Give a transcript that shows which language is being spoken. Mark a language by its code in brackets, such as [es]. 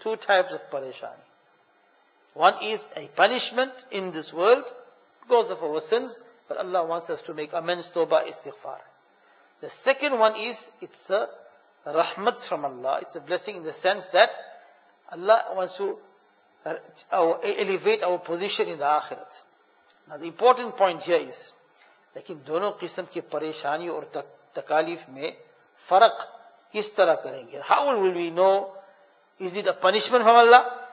[en] So two types of parishani. One is a punishment in this world because of our sins, but Allah wants us to make amends, tawbah, istighfar. The second one is, it's a rahmat from Allah. It's a blessing in the sense that Allah wants to elevate our position in the akhirat. Now the important point here is, [ur] لیکن دونوں قسم کے پریشانی اور تکالیف میں فرق کس طرح کریں گے? [en] How will we know, is it a punishment from Allah?